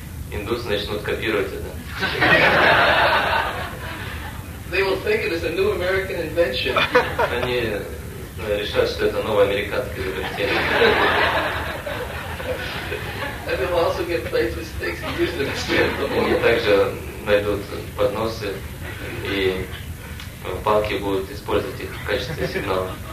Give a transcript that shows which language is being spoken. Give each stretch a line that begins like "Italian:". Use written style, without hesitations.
Russian: Индусы начнут копировать это.
English: They will think it is a new American invention.
Russian: Они решат, что это новое американское изобретение.
English: And they will also get plates with sticks and use them as pencils.
Russian: Они также найдут подносы и палки будут использовать их в качестве сигнала.